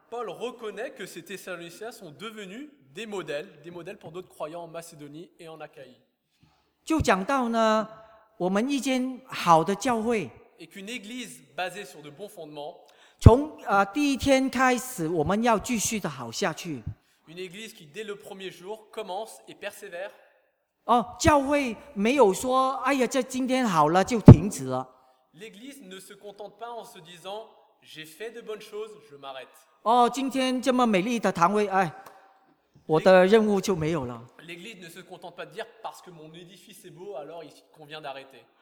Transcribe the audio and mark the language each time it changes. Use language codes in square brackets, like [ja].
[fr] Paul reconnaît que ces Thessaloniciens sont devenus des modèles pour d'autres croyants en Macédonie et en Achaïe. [zh] 就讲到呢，我们一间好的教会。 [fr] Et qu'une église basée sur de bons fondements. [zh] 从第一天开始，我们要继续的好下去。 [fr] Une église qui dès le premier jour commence et persévère. [zh] 哦，教会没有说，哎呀，这今天好了就停止了。 [fr] L'église ne se contente pas en se disant j'ai fait de bonnes choses, je m'arrête. [zh] 哦，今天这么美丽的堂会，哎，我的任务就没有了。 [fr] L'église ne se contente pas de dire parce que mon édifice est beau, alors il convient d'arrêter.